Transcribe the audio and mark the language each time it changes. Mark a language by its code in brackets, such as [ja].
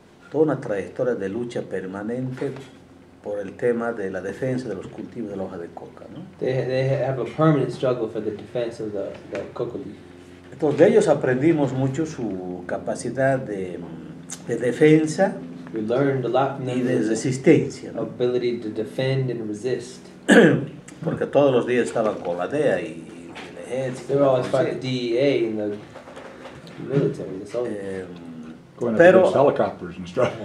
[es] toda una trayectoria de lucha permanente por el tema de la defensa de los cultivos de la hoja de coca, ¿no? [en] They have a permanent struggle for the defense of the coca leaf. [es] Entonces, de ellos aprendimos mucho su capacidad de defensa. [en] We learned a lot from [es] them. Y de resistencia, ¿no? [en] Ability to defend and resist. [es] Porque todos los días estaban con la DEA y el ejército. [en] They were always fighting the DEA and the military. The going to build helicopters and stuff.